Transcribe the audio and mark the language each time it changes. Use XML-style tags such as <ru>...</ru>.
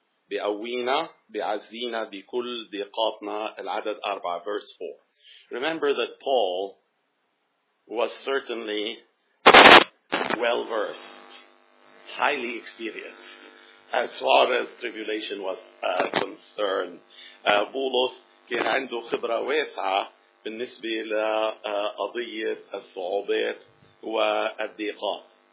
<ar>بأوينا بعزينا بكل ضيقاتنا العدد 4</ar> <en>verse 4. Remember that Paul was certainly well versed, highly experienced as far as tribulation was concerned.</en> <ar>بولس كان عنده خبرة واسعة بالنسبة لقضية الصعوبات والضيقات.</ar>